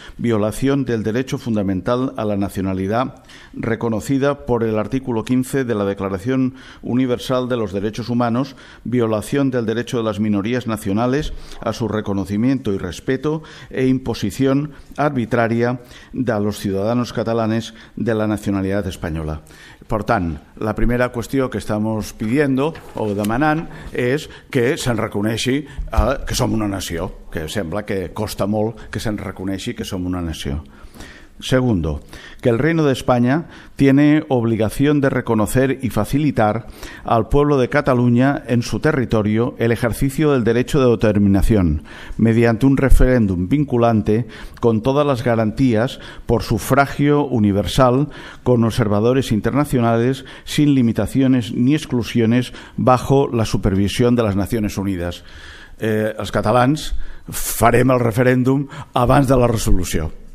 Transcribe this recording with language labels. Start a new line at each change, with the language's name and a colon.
Spanish: violación del derecho fundamental a la nacionalidad reconocida por el artículo 15 de la Declaración Universal de los Derechos Humanos, violación del derecho de las minorías nacionales a su reconocimiento y respeto e imposición arbitraria de los ciudadanos catalanes de la nacionalidad española.
Catalan: Per tant, la primera qüestió que estem pidiendo o demanant és que se'n reconeixi que som una nació, que sembla que costa molt que se'n reconeixi que som una nació.
Spanish: Segundo, que el Reino de España tiene obligación de reconocer y facilitar al pueblo de Cataluña en su territorio el ejercicio del derecho de autodeterminación mediante un referéndum vinculante con todas las garantías por sufragio universal con observadores internacionales sin limitaciones ni exclusiones bajo la supervisión de las Naciones Unidas.
Catalan: Els catalans farem el referèndum abans de la resolució.